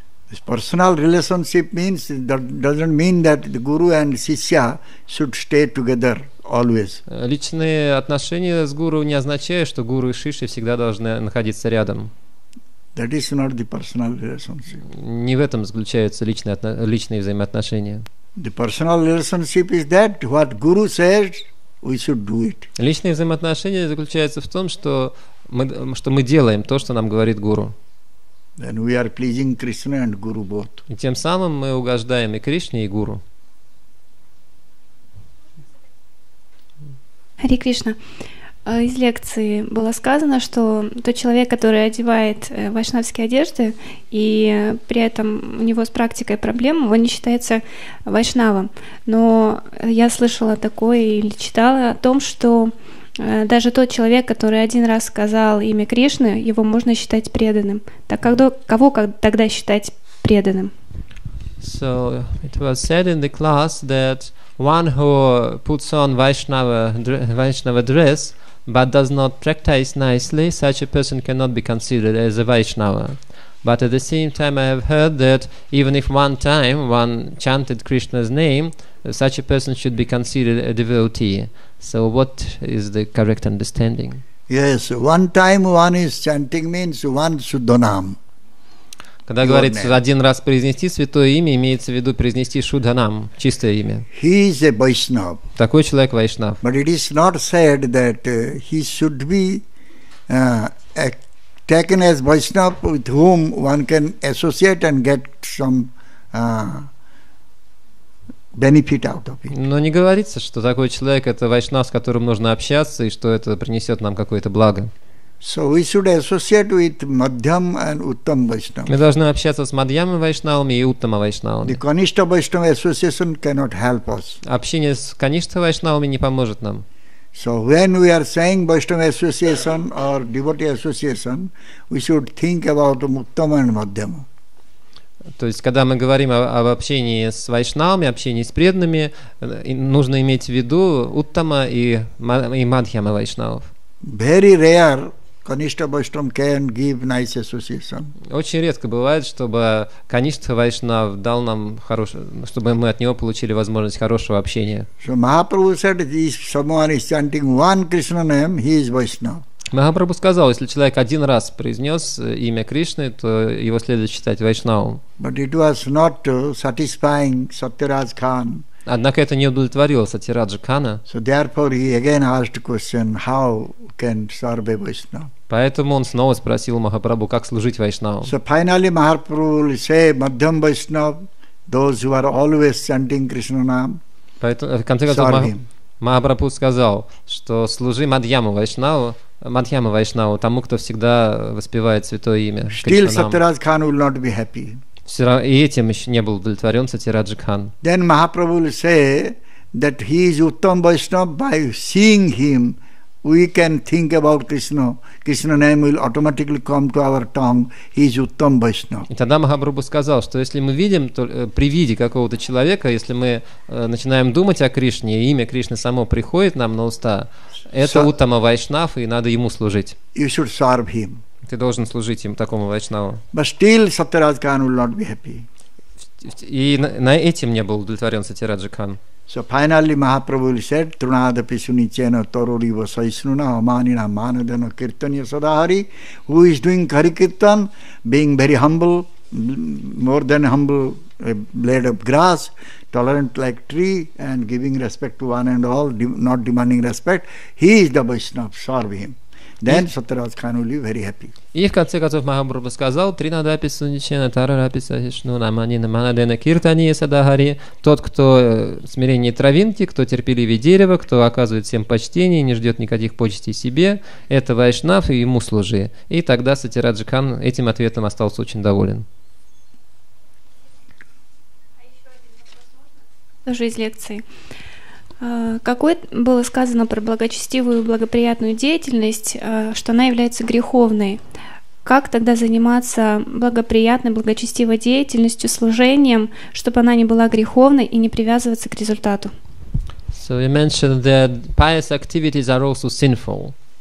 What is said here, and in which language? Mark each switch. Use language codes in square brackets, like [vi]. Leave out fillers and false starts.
[en] This personal relationship means doesn't mean that the guru and shishya should stay together always. [ru] Личные отношения с гуру не означают, что гуру и шишья всегда должны находиться рядом. [en] That is not the personal relationship. [ru] Не в этом заключаются личные взаимоотношения. [en] The personal relationship is that what guru says we should do it. [ru] Личные взаимоотношения заключаются в том, что мы делаем то, что нам говорит гуру. [en] Then we are pleasing Krishna and guru both. [ru] И тем самым мы угождаем и Кришне, и гуру. Хари Кришна. Из лекции было сказано, что тот человек, который одевает вайшнавские одежды, и при этом у него с практикой проблем, он не считается вайшнавом. Но я слышала такое или читала о том, что даже тот человек, который один раз сказал имя Кришны, его можно считать преданным. Так кого тогда считать преданным? [en] So it was said in the class that one who puts on Vaishnava dress but does not practice nicely, such a person cannot be considered as a Vaishnava. But at the same time, I have heard that even if one time one chanted Krishna's name, such a person should be considered a devotee. So what is the correct understanding? Yes, one time one is chanting means one Shuddhanam. [ru] Когда говорится один раз произнести святое имя, имеется в виду произнести Шуддханам, чистое имя. [en] He is a Vaishnav. [ru] Такой человек Вайшнав. [en] But it is not said that he should be taken as Vaishnav with whom one can associate and get some benefit out of it. [ru] Но не говорится, что такой человек – это Вайшнав, с которым нужно общаться, и что это принесет нам какое-то благо. [en] So we should associate with Madhyam and Uttam Vaishnava. [ru] Мы должны общаться с Мадьяма Вайшнавами и Уттама Вайшнавами. [en] The Kanishtha Vaishnava association cannot help us. [ru] Общение с Каништа Вайшнавами не поможет нам. [en] So when we are saying Vaishnava association or devotee association, we should think about Uttam and Madhyam. [ru] То есть, когда мы говорим об общении с Вайшнавами, общении с преданными, нужно иметь в виду Уттама и Мадхьяма Вайшнавов. [en] Very rare Kanishtha Vaishnav can give nice association. [ru] Очень редко бывает, чтобы Каништа Вайшнав дал нам хорошее, чтобы мы от него получили возможность хорошего общения. [en] So Mahaprabhu said if someone is chanting one Krishna name, he is Vaishnav. [ru] Mahaprabhu сказал, если человек один раз произнес имя Кришны, то его следует считать Вайшнавом. [en] But it was not satisfying Satyaraj Khan. [ru] Однако это не удовлетворило Сатираджа Кхана. [en] So therefore he again asked question, how can serve a Vaishnava? [ru] Поэтому он снова спросил Махапрабху, как служить Вайшнаву. [en] So finally Mahaprabhu will say, Madhyam Vaishnava, those who are always chanting Krishna name, [ru] поэтому, в конце концов, [en] serve him. [ru] Махапрабху сказал, что служи Мадхьяма Вайшнаву, тому, кто всегда воспевает святое имя [en] Still Сатирадж Кхан will not be happy. [ru] Все равно и этим еще не был удовлетворен Сатирадж Кхан. [en] Then Mahaprabhu will say that he is Uttam Vaishnav by seeing him. We can think about Krishna. Krishna name will automatically come to our tongue. He is Uttam Vaishnava. [ru] И тогда Махапрабху сказал, что если мы видим при виде какого-то человека, если мы начинаем думать о Кришне, и имя Кришны само приходит нам на уста, это Уттама Вайшнав, и надо ему служить. [en] You should serve him. [ru] Ты должен служить ему, такому Вайшнаву. [en] But still Сатираджа Кхан will not be happy. [ru] И на этим не был удовлетворен Сатираджа Кхан. [en] So finally Mahaprabhu said, [sa] Trunada Pisunichena Toroliva Saishnuna Amanina Manadana Kirtanya Sadahari, [en] who is doing Harikirtan, being very humble, more than humble, a blade of grass, tolerant like tree, and giving respect to one and all, not demanding respect, he is the Vaishnava, serve him. Then Сатираджа Кхан will be very happy. [ru] И в конце концов Махапрабху сказал, [sa] Тринада Писуничена, Тарараписа Хишнуна, Манина Манадена, Киртани Садахари, [ru] тот, кто в смирении травинки, кто терпеливее дерева, кто оказывает всем почтение, не ждет никаких почестей себе, это Вайшнав, и ему служи. И тогда Сатираджа Кхан этим ответом остался очень доволен. Тоже из лекции. Какое было сказано про благочестивую и благоприятную деятельность, что она является греховной? Как тогда заниматься благоприятной, благочестивой деятельностью, служением, чтобы она не была греховной и не привязываться к результату? [en] So you mentioned that pious activities are also sinful.